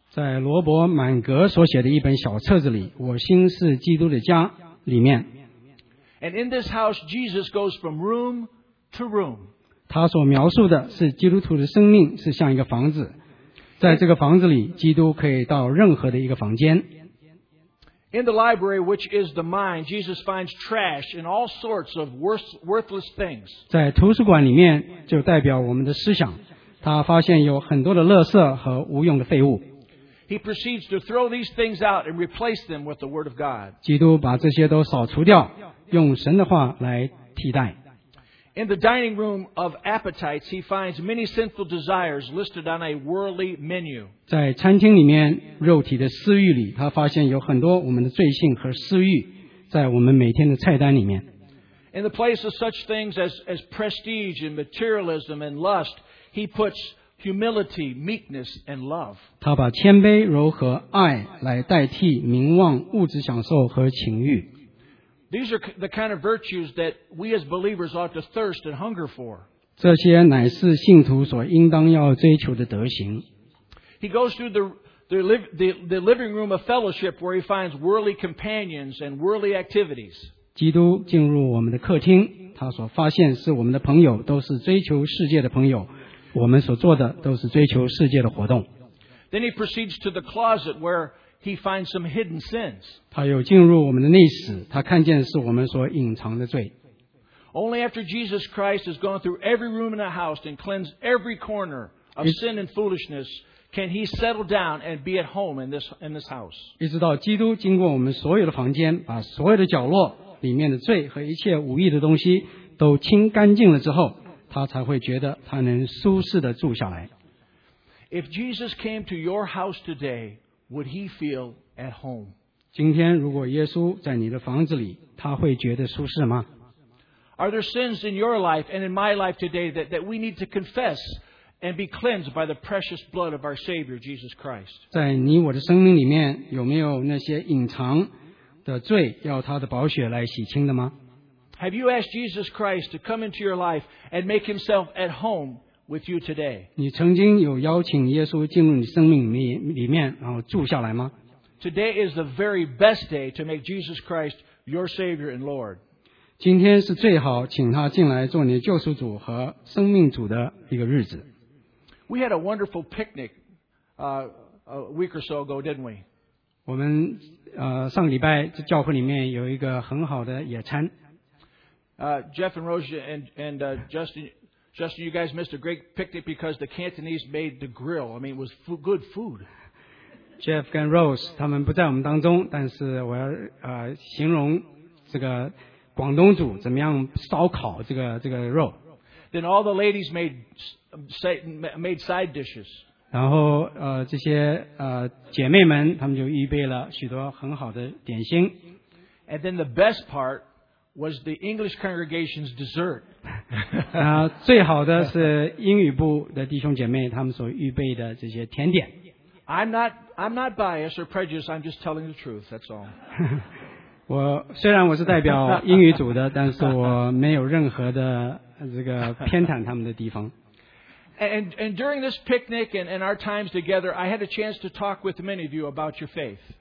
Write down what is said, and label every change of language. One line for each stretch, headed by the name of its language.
Chinese: 在罗伯·满格所写的一本小册子里，《我心是基督的家》里面。
English: And in this house, Jesus goes from room to room.
Chinese: 他所描述的是基督徒的生命是像一个房子。在这个房子里，基督可以到任何的一个房间。
English: In the library, which is the mind, Jesus finds trash and all sorts of worthless things.
Chinese: 在图书馆里面，就代表我们的思想。他发现有很多的垃圾和无用的废物。
English: He proceeds to throw these things out and replace them with the Word of God.
Chinese: 基督把这些都扫除掉，用神的话来替代。
English: In the dining room of appetites, he finds many sinful desires listed on a worldly menu.
Chinese: 在餐厅里面，肉体的私欲里，他发现有很多我们的罪性和私欲，在我们每天的菜单里面。
English: In the place of such things as prestige and materialism and lust, he puts humility, meekness, and love.
Chinese: 他把谦卑、柔和、爱来代替名望、物质享受和情欲。
English: These are the kind of virtues that we as believers ought to thirst and hunger for.
Chinese: 这些乃是信徒所应当要追求的德行。
English: He goes through the living room of fellowship where he finds worldly companions and worldly activities.
Chinese: 基督进入我们的客厅，他所发现是我们的朋友都是追求世界的朋友，我们所做的都是追求世界的活动。
English: Then he proceeds to the closet where. He finds some hidden sins.
Chinese: 他又进入我们的内室，他看见是我们所隐藏的罪。
English: Only after Jesus Christ has gone through every room in the house and cleansed every corner of sin and foolishness can he settle down and be at home in this house.
Chinese: 一直到基督经过我们所有的房间，把所有的角落里面的罪和一切无益的东西都清干净了之后，他才会觉得他能舒适的住下来。
English: If Jesus came to your house today,Would he feel at home?
Chinese: 今天如果耶稣在你的房子里，他会觉得舒适吗？
English: Are there sins in your life and in my life today that we need to confess and be cleansed by the precious blood of our Savior Jesus Christ?
Chinese: 在你我的生命里面，有没有那些隐藏的罪要他的宝血来洗清的吗？
English: Have you asked Jesus Christ to come into your life and make himself at home? With you today.
Chinese: 你曾经有邀请耶稣进入你生命里面然后住下来吗？
English: Today is the very best day to make Jesus Christ your Savior and Lord.
Chinese: 今天是最好请他进来做你救赎主和生命主的一个日子。
English: We had a wonderful picnic a week or so ago, didn't we?
Chinese: 我们上个礼拜在教会里面有一个很好的野餐。
English: Jeff and Rosia and Justin, you guys missed a great picnic because the Cantonese made the grill. I mean, it was good food.
Chinese: Jeff and Rose, 他们不在我们当中，但是我要形容这个广东煮怎么样烧烤这个肉。
English: Then all the ladies made side dishes.
Chinese: 然后这些姐妹们，他们就预备了许多很好的点心。
English: And then the best part was the English congregation's dessert.
Chinese: 最好的是英语部的弟兄姐妹他们所预备的这些甜点。
English: I'm not biased or prejudiced, I'm just telling the truth, that's all.
Chinese: 我虽然我是代表英语组的，但是我没有任何的这个偏袒他们的地方。
English: And during this picnic and our times together, I had a chance to talk with many of you about your faith.